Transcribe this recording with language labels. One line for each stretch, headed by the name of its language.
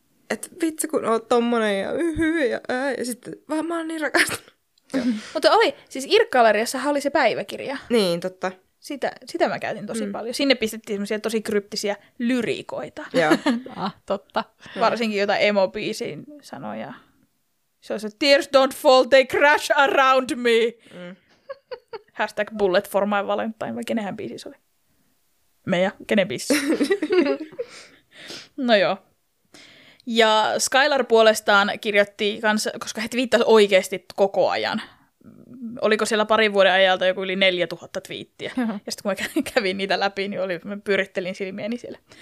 Finnish: Että vitsi, kun oot tommonen ja ja sitten vaan mä oon niin rakastunut. Mutta oli, siis Irkka-Läriässähän oli se päiväkirja. Niin, totta. Sitä mä käytin tosi paljon. Sinne pistettiin semmoisia tosi kryptisiä lyriikoita. Joo. totta. Varsinkin jotain emo-biisin sanoja. Se on se,
English: tears don't fall, they crash around me. Hashtag bullet for my valentine.
Finnish: Vai kenenhän biisi se oli? Meija, kenen biisi? No joo. Ja Skylar puolestaan kirjoitti kans, koska he twiittasivat oikeasti koko ajan. Oliko siellä parin vuoden ajalta joku yli 4000 twiittiä. Ja sitten kun mä kävin niitä läpi, niin oli, mä pyrittelin silmieni siellä.